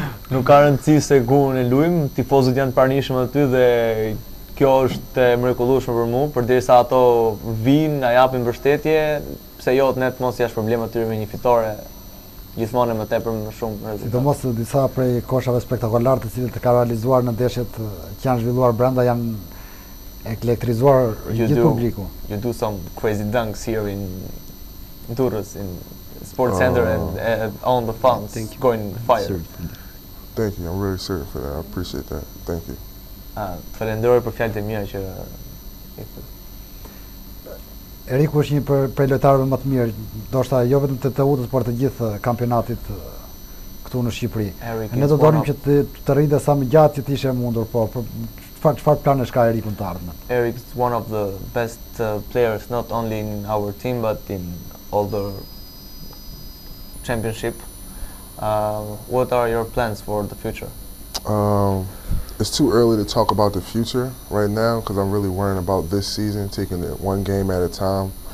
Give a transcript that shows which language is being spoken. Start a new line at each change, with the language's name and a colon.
Albanian: Nuk ka rëndësi se ku ne luajmë, tifozët janë pranishëm aty dhe kjo është e mrekullueshme për mua, përderisa ato vinë, na japin mbështetje, pse jo, ne të mos jash problem aty me një fitore. Gjithmonë më tepër më shumë rezultate. Sidomos disa prej koshave spektakolare të cilët ka realizuar në ndeshjet që janë zhvilluar brenda janë elektrizuar gjithë publiku.
English: You do some crazy dunks here in Durrës in Sports Center and on the fans going fire. Thank you. I'm really sorry for that. I appreciate that. Thank you.
Albanian: Falenderoj për fjalët e mira që Eriku është një prej lojtarëve më të mirë, ndoshta jo vetëm të Teutës, por të gjithë kampionatit këtu në Shqipëri. Ne do dorim që të rritë sa më gjatë që të ishe mundur, po çfarë planesh ka Eriku në të ardhmen?
English: Eriku is one of the best players not only in our team but in all the championship. What are your plans for the future? It's too early to talk about the future right now because I'm really worrying about this season, taking it one game at a time.